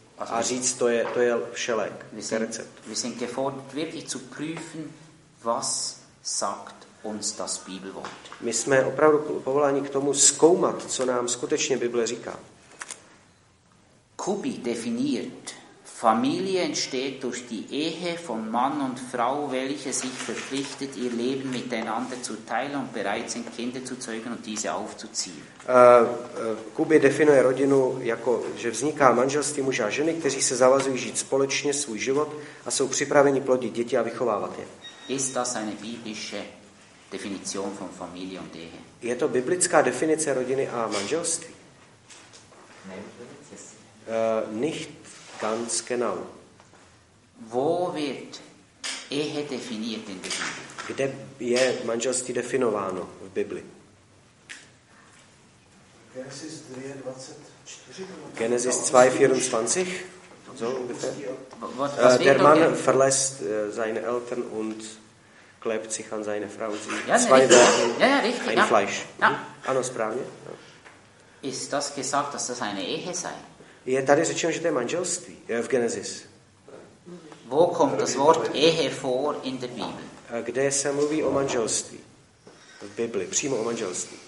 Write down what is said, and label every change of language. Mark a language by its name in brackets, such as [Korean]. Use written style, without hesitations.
[Czech] A říct, to je všelék, recept. [German] Wir sind gefordert, wirklich zu prüfen, was sagt uns das Bibelwort. [Czech] My jsme opravdu povoláni k tomu zkoumat, co nám skutečně Bible říká. [German] Kubi definiert, Familie entsteht durch die Ehe von Mann und Frau, welche sich verpflichtet, ihr Leben miteinander zu teilen und bereit sind, Kinder zu zeugen und diese aufzuziehen. [Czech] Kubi definuje rodinu jako, že vzniká manželství muže a ženy, kteří se zavazují žít společně svůj život a jsou připraveni plodit děti a vychovávat je. [German] Ist das eine biblische Definition von Familie und Ehe? [Czech] Je to biblická definice rodiny a manželství? [German] Nicht ganz genau. Wo wird Ehe definiert in der Bibel? [Czech] Kde je manželství definováno v Bibli? [German] Genesis 2:24. So ungefähr. Der Mann verlässt seine Eltern und klebt sich an seine Frau. Zwei Fleisch. Ja. [Czech] Ano, správně. Ja. [German] Ist das gesagt, dass das eine Ehe sei? [Czech] Je tady řečeno, že to je manželství v Genesis. [German] Wo kommt das Wort Ehe vor in der Bibel? [Czech] Kde se mluví o manželství? V Bibli, přímo o manželství.